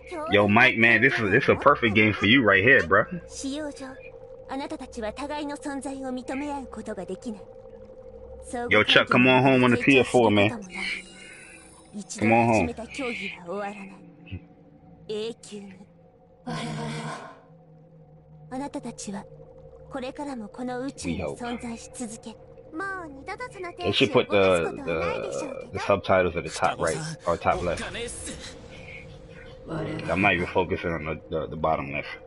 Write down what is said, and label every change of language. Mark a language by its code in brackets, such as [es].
[en] Yo, Mike, man, this is a perfect game for you right here, bro. [ja] 使用上、あなたたちは互いの存在を認め合うことができない。 [en] Yo, Chuck, come on home on the PS4, man. Come on home. [ja] 一度始めた競技は終わらない。永久に。あなたたちはこれからもこの宇宙に存在し続け。 [en] They should put the subtitles at the top right or top left. I'm not even focusing on the bottom left.